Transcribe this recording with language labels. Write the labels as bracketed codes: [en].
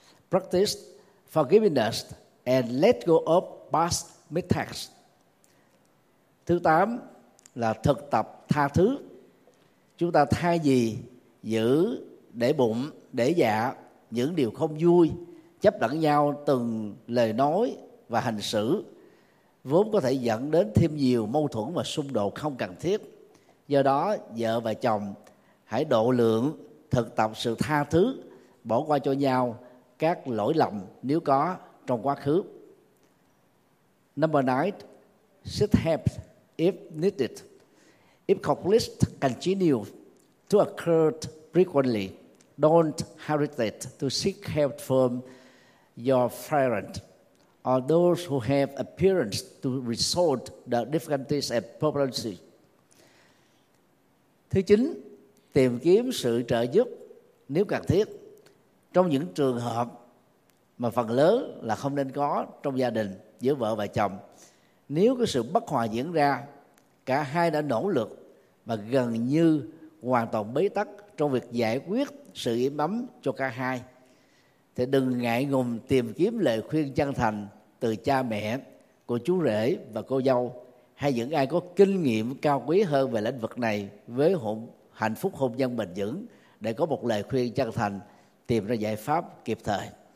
[en] Practice forgiveness and let go of past mistakes. [vi] Thứ 8 là thực tập tha thứ. Chúng ta thay vì giữ để bụng, để dạ những điều không vui, chấp lẫn nhau từng lời nói và hành xử vốn có thể dẫn đến thêm nhiều mâu thuẫn và xung đột không cần thiết. Do đó, vợ và chồng hãy độ lượng, thực tập sự tha thứ, bỏ qua cho nhau các lỗi lầm nếu có trong quá khứ. [en] Number 9, seek help if needed. If conflict continues to occur frequently, don't hesitate to seek help from your parent or those who have appearance to resolve the difficulties and problems. [vi] Thứ 9, tìm kiếm sự trợ giúp nếu cần thiết trong những trường hợp mà phần lớn là không nên có trong gia đình giữa vợ và chồng. Nếu có sự bất hòa diễn ra, cả hai đã nỗ lực và gần như hoàn toàn bế tắc trong việc giải quyết sự im ấm cho cả hai, thì đừng ngại ngùng tìm kiếm lời khuyên chân thành từ cha mẹ, cô chú rể và cô dâu hay những ai có kinh nghiệm cao quý hơn về lĩnh vực này với hạnh phúc hôn nhân bền vững để có một lời khuyên chân thành, tìm ra giải pháp kịp thời.